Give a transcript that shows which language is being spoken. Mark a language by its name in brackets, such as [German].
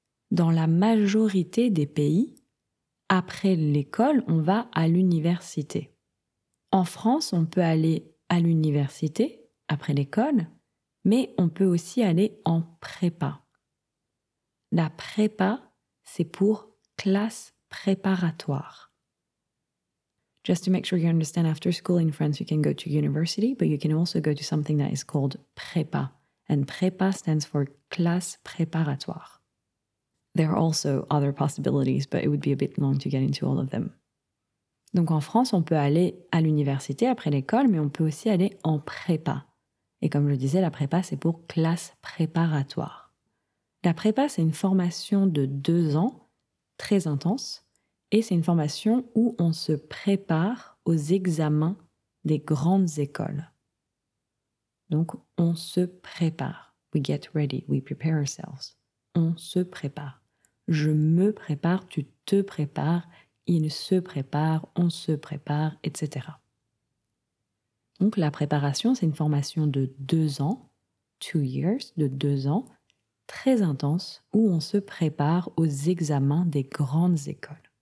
[French] Dans la majorité des pays, après l'école, on va à l'université. En France, on peut aller à l'université après l'école, mais on peut aussi aller en prépa. La prépa, c'est pour classe préparatoire. [English] Just to make sure you understand, after school in France, you can go to university, but you can also go to something that is called prépa. And prépa stands for [French] classe préparatoire. [English] There are also other possibilities, but it would be a bit long to get into all of them. [French] Donc en France, on peut aller à l'université après l'école, mais on peut aussi aller en prépa. Et comme je le disais, la prépa, c'est pour classe préparatoire. La prépa, c'est une formation de 2 ans, très intense, et c'est une formation où on se prépare aux examens des grandes écoles. Donc, on se prépare. [English] We get ready, we prepare ourselves. [French] On se prépare. Je me prépare, tu te prépares, il se prépare, on se prépare, etc. Donc, la préparation, c'est une formation de 2 ans, [English] 2 years, [French] de 2 ans, très intense, où on se prépare aux examens des grandes écoles.